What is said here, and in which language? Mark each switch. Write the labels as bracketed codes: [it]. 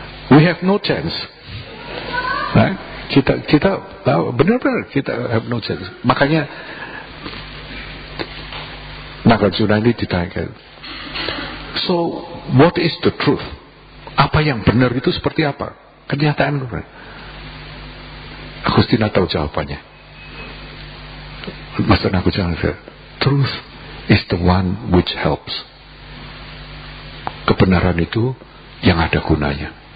[en] We have no chance. Right? [id] Kita benar-benar kita [en] have no chance. [id] Makanya Nagarjuna ini ditanya, [en] so what is the truth? [id] Apa yang benar itu seperti apa? Kenyataan benar. Agustina tahu jawabannya. [en] Master Nagarjuna said, truth is the one which helps. [id] Kebenaran itu yang ada gunanya.